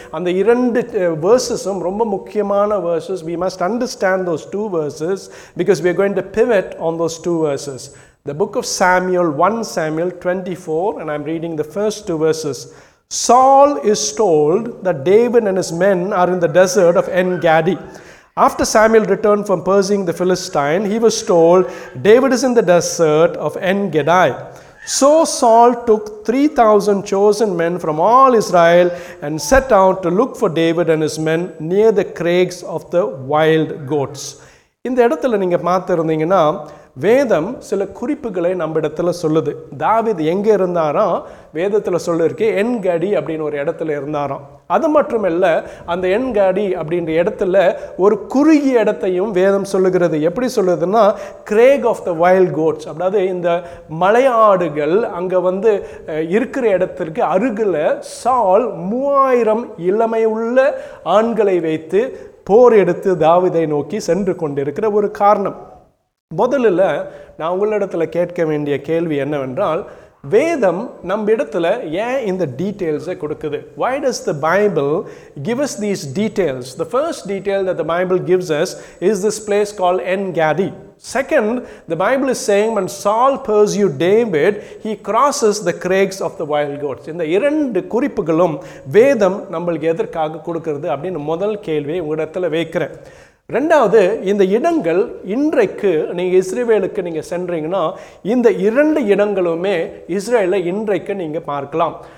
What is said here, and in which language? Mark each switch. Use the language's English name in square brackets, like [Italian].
[Tamil] அந்த 2 வேர்சஸும் ரொம்ப முக்கியமான versus. [English] We must understand those 2 verses because we are going to pivot on those 2 verses. The book of Samuel, 1 Samuel 24, and I am reading the first 2 verses. Saul is told the David and his men are in the desert of En Gedi. After Samuel returned from pursuing the Philistine, he was told, David is in the desert of En-Gedi. So Saul took 3,000 chosen men from all Israel and set out to look for David and his men near the crags of the wild goats. [Tamil] இந்த இடத்துல நீங்கள் பார்த்துருந்தீங்கன்னா, வேதம் சில குறிப்புகளை நம்ம இடத்துல சொல்லுது. தாவீது எங்கே இருந்தாராம், வேதத்தில் சொல்லியிருக்கே என்கடி அப்படின்னு ஒரு இடத்துல இருந்தாராம். அது மட்டுமல்ல, அந்த என்கடி அப்படின்ற இடத்துல ஒரு குறுகிய இடத்தையும் வேதம் சொல்லுகிறது. எப்படி சொல்லுதுன்னா, [English] crag of the wild goats, [Tamil] அதாவது இந்த மலையாடுகள் அங்கே வந்து இருக்கிற இடத்திற்கு அருகில் சால் 3000 இளமை உள்ள ஆண்களை வைத்து போர் எடுத்து தாவீதை நோக்கி சென்று கொண்டிருக்கிற ஒரு காரணம். முதலில் நான் உங்களிடத்தில் கேட்க வேண்டிய கேள்வி என்னவென்றால், வேதம் நம்ம இடத்துல ஏன் இந்த டீட்டெயில்ஸை கொடுக்குது? [English] Why does the Bible give us these details? The first detail that the Bible gives us is this place called En-Gedi. Second, the Bible is saying when Saul pursued David, he crosses the crags of the wild goats. [Tamil] இந்த இரண்டு குறிப்புகளும் வேதம் நம்மளுக்கு எதற்காக கொடுக்கிறது அப்படின்னு முதல் கேள்வியை உங்களிடத்தில் வைக்கிறேன். ரெண்டாவது, இந்த இடங்கள் இன்றைக்கு நீங்கள் இஸ்ரேவேலுக்கு நீங்கள் சென்றீங்கன்னா, இந்த இரண்டு இடங்களுமே இஸ்ரேலில் இன்றைக்கு நீங்கள் பார்க்கலாம்.